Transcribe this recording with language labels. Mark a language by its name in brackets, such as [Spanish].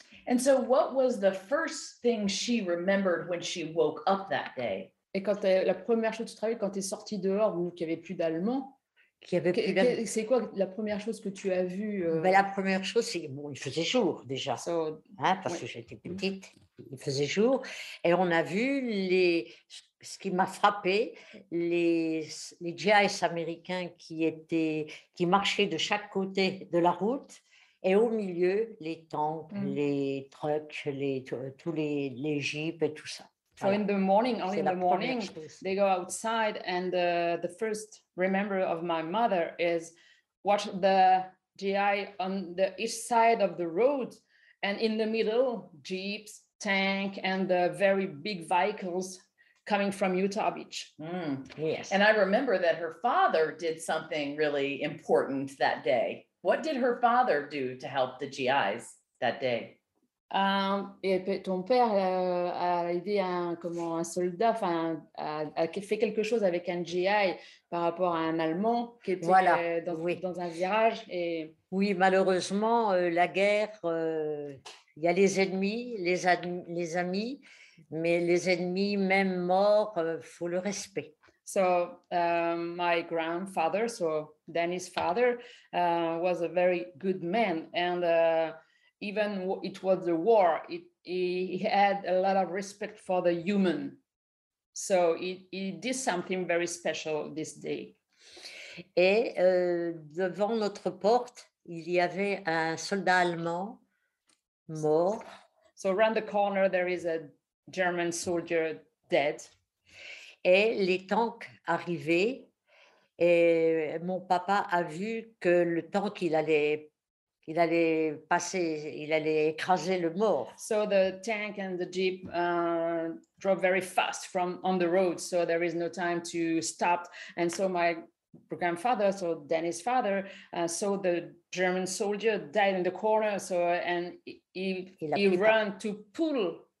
[English] And so what was the first thing she remembered when she woke up that day? [French] Et quand la première chose que tu travailles, quand tu es sortie dehors, vous, qu'il n'y avait plus d'allemand, c'est quoi la première chose que tu as vue? La première chose, c'est bon, il faisait jour déjà, que j'étais petite, il faisait jour, et on a vu ce qui m'a frappé, les GIs américains qui marchaient de chaque côté de la route, et au milieu, les tanks, les trucks, les jeeps et tout ça. [English] So in the morning, early in the morning, they go outside and the first remember of my mother is watch the GI on the east side of the road and in the middle, jeeps, tank and the very big vehicles coming from Utah Beach. Yes. And I remember that her father did something really important that day. What did her father do to help the GIs that day? [French] Ton père a aidé un soldat, enfin, a fait quelque chose avec un GI par rapport à un Allemand qui était dans un virage. Et... Oui, malheureusement, la guerre, il y a les ennemis, les amis, mais les ennemis, même morts, faut le respect. [English] So my grandfather, so Danny's father, was a very good man, and even it was the war, he had a lot of respect for the human. So he did something very special this day. [French] Et devant notre porte, il y avait un soldat allemand mort. [English] So around the corner, there is a German soldier dead. [French] Et les tanks arrivaient, et mon papa a vu que le tank, il allait écraser le mort. [English] So the tank and the jeep drove very fast from on the road, so there is no time to stop. And so my grandfather, so Danny's father, saw the German soldier died in the corner, so and he ran to pull